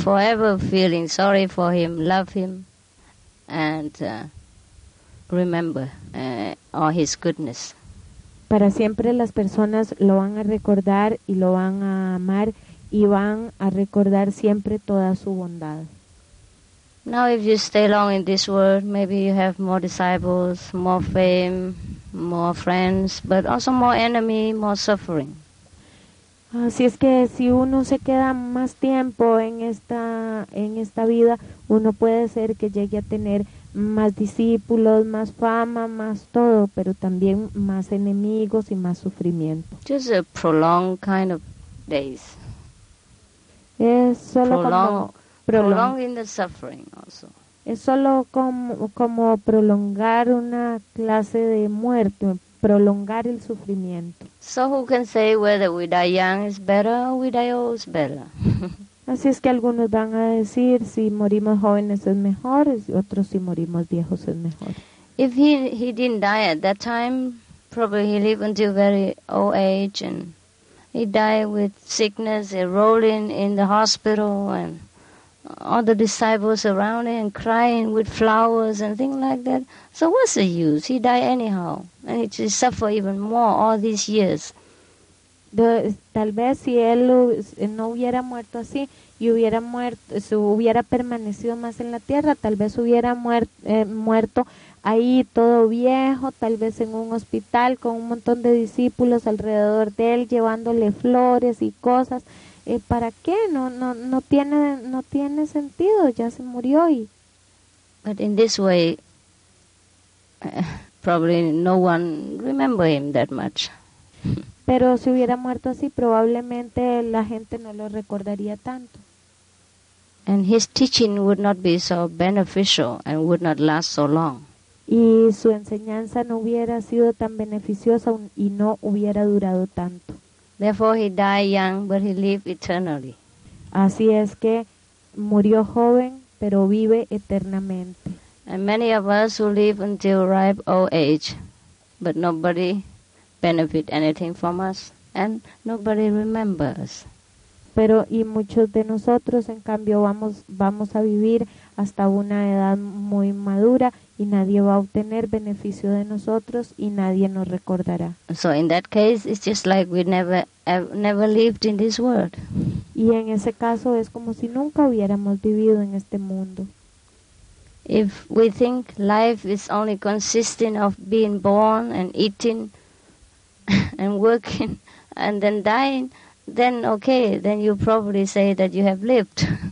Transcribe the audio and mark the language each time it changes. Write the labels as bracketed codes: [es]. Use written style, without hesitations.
[en] Forever feeling sorry for him, love him, and remember all his goodness. [es] Para siempre las personas lo van a recordar y lo van a amar y van a recordar siempre toda su bondad. [en] Now if you stay long in this world, maybe you have more disciples, more fame, more friends, but also more enemy, more suffering. [es] Así es que si uno se queda más tiempo en esta vida, uno puede ser que llegue a tener más discípulos, más fama, más todo, pero también más enemigos y más sufrimiento. [en] Just a prolonged kind of days. [es] Es solo [en] prolonging in the suffering also. [es] Es solo como prolongar una clase de muerte. Prolongar el sufrimiento. [en] So who can say whether we die young is better or we die old is better? [es] Así es que algunos van a decir si morimos jóvenes es mejor, otros si morimos viejos es mejor. [en] If he didn't die at that time, probably he lived until very old age, and he died with sickness, rolling in the hospital, and all the disciples around him crying with flowers and things like that. So what's the use? He died anyhow. And he just suffered even more all these years. [es] Tal vez si él no hubiera muerto así y hubiera muerto, si hubiera permanecido más en la tierra, tal vez hubiera muerto ahí todo viejo, tal vez en un hospital con un montón de discípulos alrededor de él llevándole flores y cosas. ¿Para qué? No tiene sentido, ya se murió y... [en] But in this way, probably no one remember him that much. [es] Pero si hubiera muerto así, probablemente la gente no lo recordaría tanto. [en] And his teaching would not be so beneficial and would not last so long. [es] Y su enseñanza no hubiera sido tan beneficiosa y no hubiera durado tanto. [en] Therefore he died young, but he lived eternally. [es] Así es que murió joven, pero vive eternamente. [en] And many of us who live until ripe old age, but nobody benefit anything from us, and nobody remembers. [es] Pero y muchos de nosotros, en cambio, vamos a vivir hasta una edad muy madura y nadie va a obtener beneficio de nosotros y nadie nos recordará. [en] So in that case, it's just like we never lived in this world. [es] Y en ese caso es como si nunca hubiéramos vivido en este mundo. [en] If we think life is only consisting of being born and eating and working and then dying, then okay, then you probably say that you have lived.